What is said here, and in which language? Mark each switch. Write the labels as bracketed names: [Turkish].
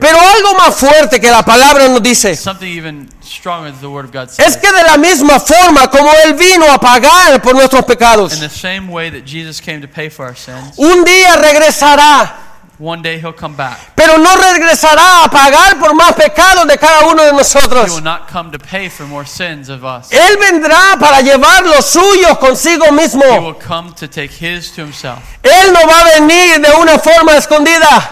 [Spanish] Pero algo más fuerte que la palabra nos dice. [English] Something even stronger than the word of God says. [Spanish] Es que de la misma forma como Él vino a pagar por nuestros pecados. [English] In the same way that Jesus came to pay for our sins. [Spanish] Un día regresará. [English] One day he'll come back. [Spanish] Pero no regresará a pagar por más pecados de cada uno de nosotros. [English] He will not come to pay for more sins of us. [Spanish] Él vendrá para llevar los suyos consigo mismo. [English] He will come to take his to himself. [Spanish] Él no va a venir de una forma escondida.